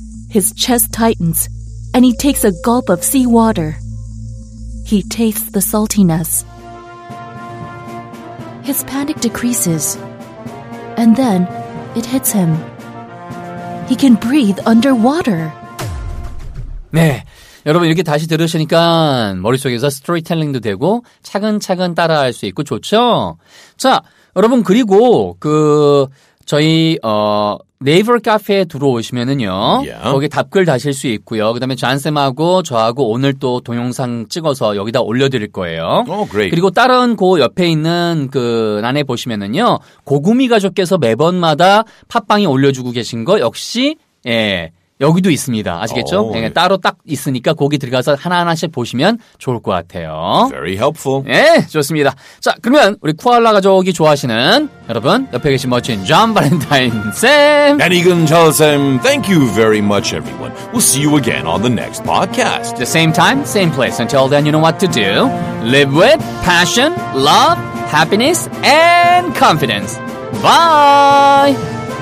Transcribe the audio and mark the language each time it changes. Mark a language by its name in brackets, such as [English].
[English] His chest tightens, and he takes a gulp of seawater. He tastes the saltiness. His panic decreases, and then it hits him. He can breathe underwater. [Korean] 네. 여러분 이렇게 다시 들으시니까 머릿속에서 스토리텔링도 되고 차근차근 따라할 수 있고 좋죠? 자, 여러분 그리고 그 저희 네이버 카페에 들어오시면은요. [English] Yeah. [Korean] 거기 답글 다실 수 있고요. 그다음에 잔쌤하고 저하고 오늘 또 동영상 찍어서 여기다 올려 드릴 거예요. [English] Oh, great. [Korean] 그리고 다른 그 옆에 있는 그 란에 보시면은요. 고구미 가족께서 매번마다 팟빵에 올려 주고 계신 거 역시 예. 여기도 있습니다. 아시겠죠? [English] Oh, yeah. [Korean] 따로 딱 있으니까 거기 들어가서 하나하나씩 보시면 좋을 것 같아요. [English] Very helpful. [Korean] 예, 좋습니다. 자, 그러면 우리 쿠알라 가족이 좋아하시는 여러분 옆에 계신 멋진 존 발렌타인 쌤. 안익은 잘 쌤. [English] Thank you very much, everyone. We'll see you again on the next podcast. The same time, same place. Until then, you know what to do. Live with passion, love, happiness, and confidence. Bye!